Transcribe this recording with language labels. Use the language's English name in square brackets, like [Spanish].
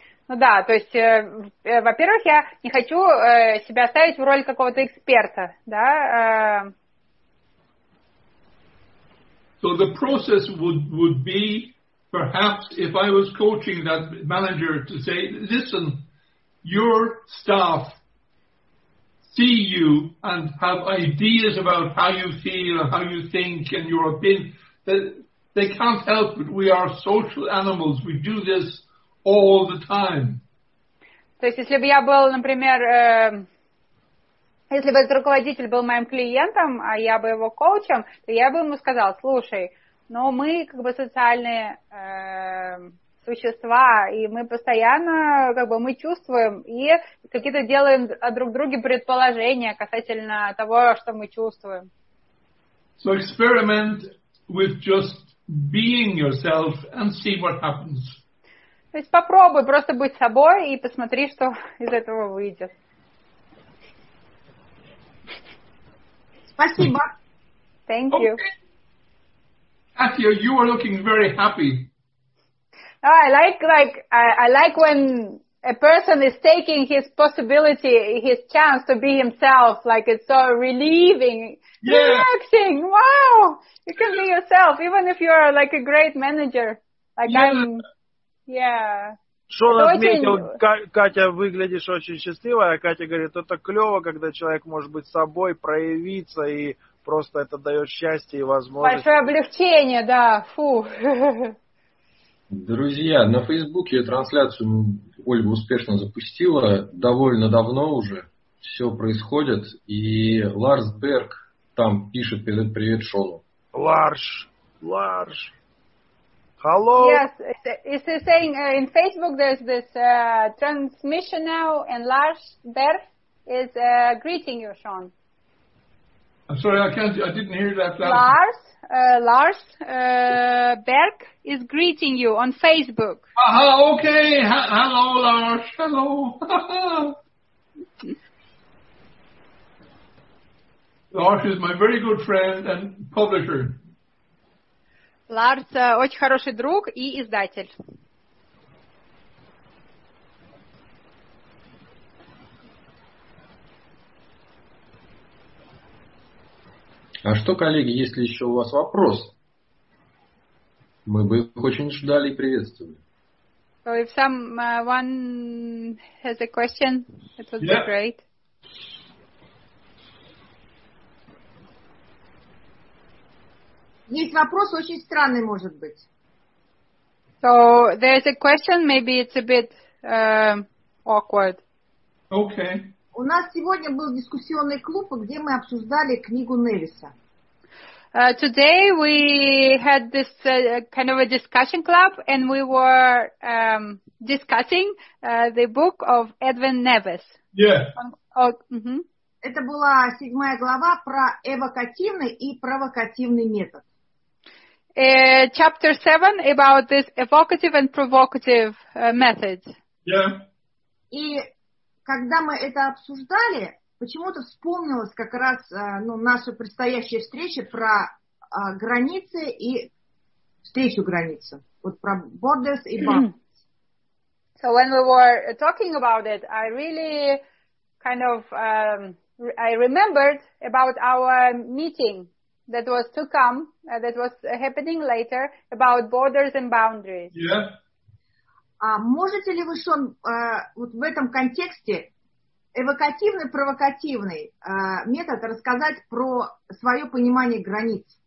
[Russian] Ну да, то есть, во-первых, я не хочу себя ставить в роль какого-то эксперта, да. [English] So the process would be, perhaps, if I was coaching that manager to say, listen, your staff see you and have ideas about how you feel and how you think and your opinion. They can't help it. We are social animals. We do this all the time. [Russian] То есть, если бы я был, например, если бы этот руководитель был моим клиентом, а я бы его коучем, то я бы ему сказал: слушай, ну мы как бы социальные существа, и мы постоянно как бы мы чувствуем и какие-то делаем о друг друге предположения касательно того, что мы чувствуем. [English] So experiment with just being yourself and see what happens. [Russian] То есть попробуй просто быть собой и посмотри, что из этого выйдет. Спасибо. [English] Thank you. Okay. Katya, you are looking very happy. I like when a person is taking his possibility, his chance to be himself. Like it's so relieving, yeah. Relaxing. Wow, you can be yourself, even if you are like a great manager. Like yeah. Yeah. [Russian] Шон отметил, Катя, выглядишь очень счастливой, а Катя говорит, это клево, когда человек может быть собой, проявиться, и просто это дает счастье и возможность. Большое облегчение, да, фу. Друзья, на Фейсбуке трансляцию Ольга успешно запустила, довольно давно уже все происходит, и Ларс Берг там пишет передать привет Шону. [English] Ларш. Hello. Yes, is he saying in Facebook there's this transmission now, and Lars Berg is greeting you, Sean. I'm sorry, I didn't hear that. Lars Berg is greeting you on Facebook. Hello, Lars. Hello. Lars is my very good friend and publisher. [Russian] Ларс очень хороший друг и издатель. А что, коллеги, есть ли еще у вас вопрос? Мы бы их очень ждали и приветствовали. [English] So if someone has a question, it would be great. [Russian] Есть вопрос очень странный, может быть. [English] So there's a question, maybe it's a bit awkward. Okay. [Russian] У нас сегодня был дискуссионный клуб, где мы обсуждали книгу Невиса. [English] Today we had this kind of a discussion club, and we were discussing the book of Edwin Nevis. Yeah. Oh, mm-hmm. [Russian] Это была 7 глава про эвокативный и провокативный метод. [English] Chapter 7 about this evocative and provocative method. Yeah. [Russian] И когда мы это обсуждали, почему-то вспомнилась как раз ну, наша предстоящая встреча про границы и встречу границы. Вот про borders и boundaries. [English] So when we were talking about it, I really kind of I remembered about our meeting that was to come, that was happening later, about borders and boundaries. Yeah. [Russian] Можете ли вы, Шон, вот в этом контексте эвокативный-провокативный метод рассказать про свое понимание границ?